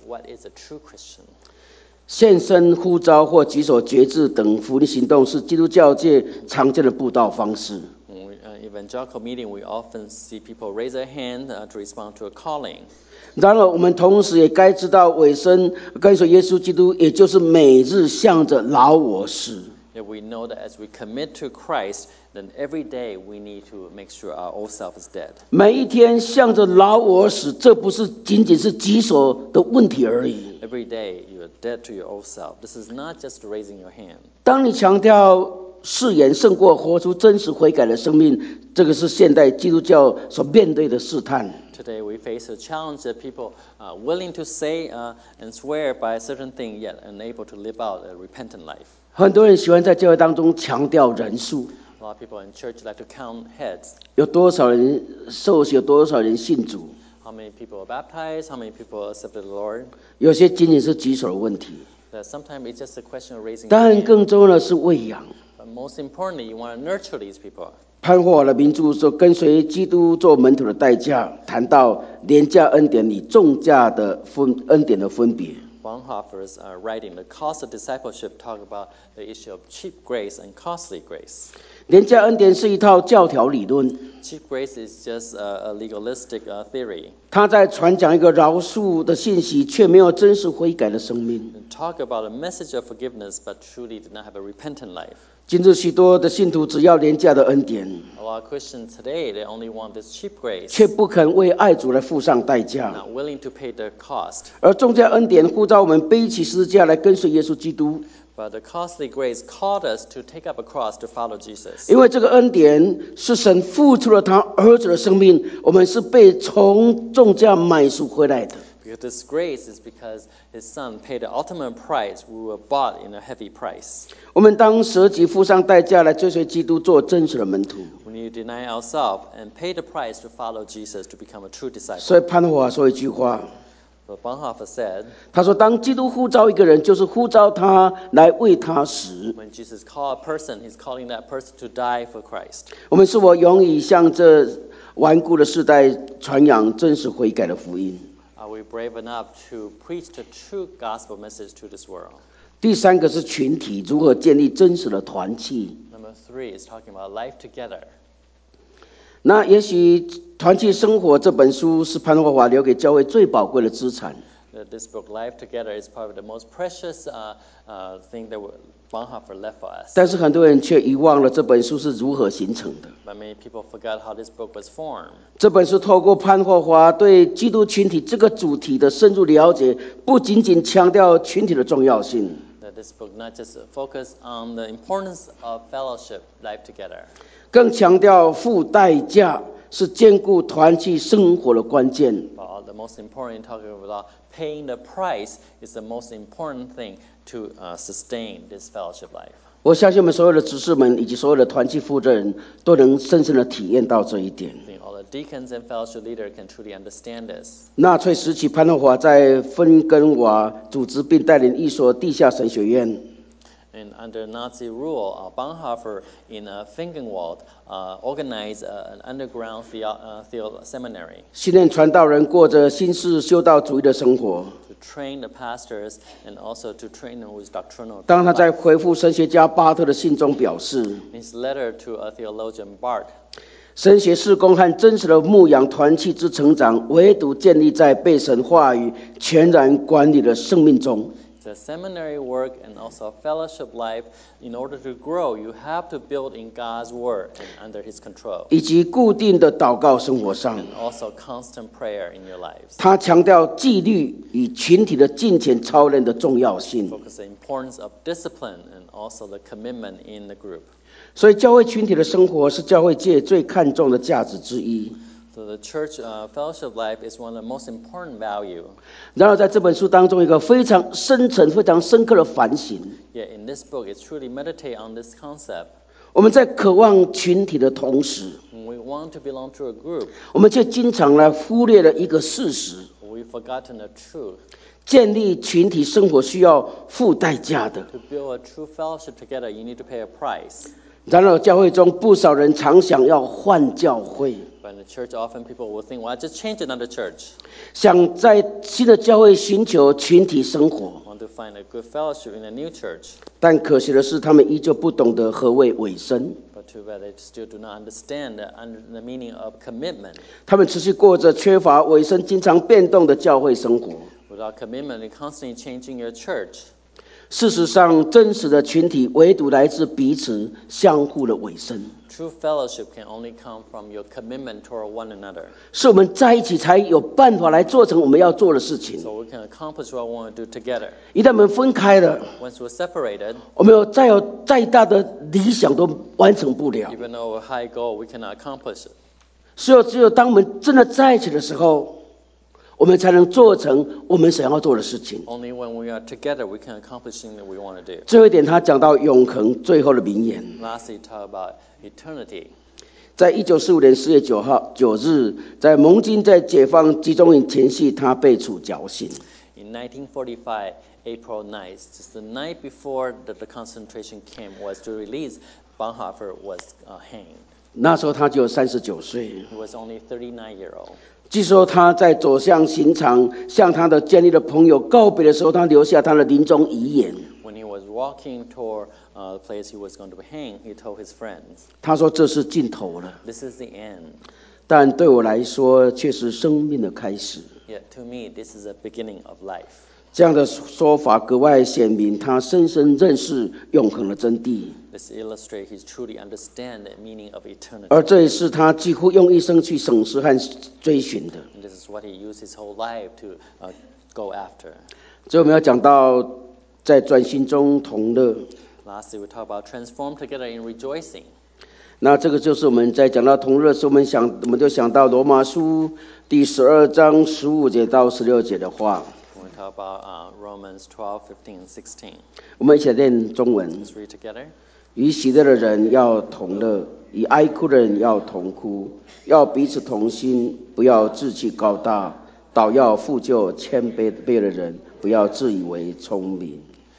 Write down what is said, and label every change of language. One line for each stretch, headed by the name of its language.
English: What is a true Christian?
Chinese: 献身、呼召或举手决志等福音行动是基督教界常见的布道方式。
English: Evangelical meeting, we often see people raise their hand to respond to a calling.
Chinese: 然而，我们同时也该知道，委身跟随耶稣基督，也就是每日向着老我死。
English: If we know that as we commit to Christ, then every day we need to make sure our old self is dead.
Chinese: 每一天向着老我死，这不是仅仅是举手的问题而已。
English: Every day you are dead to your old self. This is not just raising your hand.
Chinese: 当你强调誓言胜过活出真实悔改的生命，这个是现代基督教所面对的试探。
English: Today we face a challenge that people are willing to say and swear by a certain thing yet unable to live out a repentant life.
Chinese: 很多人喜欢在教会当中强调人数。
English: A lot of people in church like to count heads.
Chinese: 有多少人受洗？有多少人信主？
English: How many people are baptized? How many people accepted the Lord?
Chinese: 有些仅仅是举手的问题。
English: Sometimes it's just a question of raising.
Chinese: 当然，更重要的是喂养。
English: Most importantly, you want to nurture these people.
Chinese: 盼望我的民族说跟随基督做门徒的代价，谈到廉价恩典与重价的分恩典的分别。
English: Bonhoeffer's writing, The Cost of Discipleship, talk about the issue of cheap grace and costly grace.
Chinese: 廉价恩典是一套教条理论。
English: Cheap grace is just a legalistic theory.
Chinese: 他在传讲一个饶恕的信息，却没有真实悔改的生命。
English: Talk about a message of forgiveness, but truly did not have a repentant life.
Chinese: 今日许多的信徒只要廉价的恩典。
English: A lot of Christians today, they only want this cheap grace.
Chinese: 却不肯为爱主来付上代价。
English: Not willing to pay the cost.
Chinese: 而重价恩典呼召我们背起十字架来跟随耶稣基督。
English: But the costly grace called us to take up a cross to follow Jesus.
Chinese: 因为这个恩典是神付出了他儿子的生命，我们是被从重价买赎回来的。
English: Because this grace is because his son paid the ultimate price. We were bought in a heavy price.
Chinese: 我们当舍己付上代价来追随基督做真实的门徒。
English: When you deny ourselves and pay the price to follow Jesus to become a true disciple.
Chinese: 所以潘华说一句话。
English: But Bonhoeffer said,
Chinese: 他说当基督呼召一个人就是呼召他来为他死。
English: When Jesus called a person, he's calling that person to die for Christ.
Chinese: 我们是否勇于向这顽固的世代传扬真实悔改的福音。
English: Are we brave enough to preach the true gospel message to this world?
Chinese: 第三个是群体如何建立真实的团契。
English: Number three is talking about life together.
Chinese: 那也许《团契生活》这本书是潘霍华留给教会最宝贵的资产。
English: This book, Life Together, is probably the most precious thing that Bonhoeffer left for us.
Chinese: 但是很多人却遗忘了这本书是如何形成的。
English: But many people forgot how this book was formed.
Chinese: 这本书透过潘霍华对基督群体这个主题的深入了解，不仅仅强调群体的重要性。
English: This book not just focus on the importance of fellowship, life together.
Chinese: 更强调付代价是兼顾团契生活的关键。
English: Well, the most important talking about paying the price is the most important thing to sustain this fellowship life.
Chinese: 我相信我们所有的执事们以及所有的团契负责人都能深深的体验到这一点。
English: All the deacons and fellowship leaders can truly understand this.
Chinese: 纳粹时期，潘霍华在芬根瓦组织并带领一所地下神学院。
English: And under Nazi rule, Bonhoeffer in Fingenwald organized an underground seminary.
Chinese: 训练传道人过着新式修道主义的生活。
English: To train the pastors and also to train them with doctrinal.
Chinese: 当他在回复神学家巴特的信中表示。
English: His letter to a theologian Bart.
Chinese: 神学事工和真实的牧养团契之成长，唯独建立在被神话语全然管理的生命中。
English: The seminary work and also fellowship life, in order to grow, you have to build in God's word and under His control.
Chinese: 以及固定的祷告生活上。
English: And also constant prayer in your lives.
Chinese: 他强调纪律与群体的金钱操练的重要性。
English: Focus the importance of discipline and also the commitment in the group.
Chinese: 所以教会群体的生活是教会界最看重的价值之一。
English: So the church fellowship life is one of the most important value.
Chinese: 然而在这本书当中一个非常深层非常深刻的反省。
English: Yet in this book it truly meditate on this concept.
Chinese: 我们在渴望群体的同时。
English: We want to belong to a group.
Chinese: 我们却经常来忽略了一个事实。
English: We've forgotten the truth.
Chinese: 建立群体生活需要付代价的。
English: To build a true fellowship together you need to pay a price.
Chinese: 然而教会中不少人常想要换教会。
English: In the church, often people will think, "Well, I just change another church."
Chinese: 想在新的教会寻求群体生活。
English: Want to find a good fellowship in a new church.
Chinese: 但可惜的是，他们依旧不懂得何谓委身。
English: But too bad they still do not understand the meaning of commitment.
Chinese: 他们持续过着缺乏委身、经常变动的教会生活。
English: Without commitment, you're constantly changing your church.
Chinese: 事实上，真实的群体唯独来自彼此相互的委身。
English: True fellowship can only come from your commitment toward one another.
Chinese: 是我们在一起才有办法来做成我们要做的事情。
English: So we can accomplish what we want to do together.
Chinese: 一旦我们分开了
English: ，Once we're separated,
Chinese: 我们有再大的理想都完成不了。
English: Even though a high goal, we cannot accomplish it.
Chinese: 所以只有当我们真的在一起的时候，我们才能做成我们想要做的事情。
English: Only when we are together, we can accomplish things that we want to do.
Chinese: 最后一点，他讲到永恒最后的名言。
English: Lastly, talk about eternity.
Chinese: 在1945年10月9日，在盟军在解放集中营前夕，他被处绞刑。
English: In 1945, April 9th, just the night before the concentration camp was to release, Bonhoeffer was hanged.
Chinese: 那时候他就39岁。
English: He was only 39 years old.
Chinese: 据说他在走向刑场，向他的监狱的朋友告别的时候，他留下他的临终遗言。
English: When he was walking toward the place he was going to be hanged, he told his friends.
Chinese: 他说这是尽头了。
English: This is the end.
Chinese: 但对我来说，却是生命的开始。
English: Yet to me, this is the beginning of life.
Chinese: 这样的说法格外显明他深深认识永恒的真谛。
English: This illustrates his truly understand the meaning of eternity.
Chinese: 而这也是他几乎用一生去审视和追寻的。
English: And this is what he used his whole life to go after.
Chinese: 最后我们要讲到在专心中同乐。
English: Lastly, we talk about transform together in rejoicing.
Chinese: 那这个就是我们在讲到同乐时，我们就想到罗马书第十二章十五节到十六节的话。
English: About Romans 12:15-16.
Chinese: 我们一起来念中文。
English: Let's read together.
Chinese: 与喜乐的人要同乐，与哀哭的人要同哭，要彼此同心，不要自己高大，倒要负就谦卑的人，不要自以为聪明。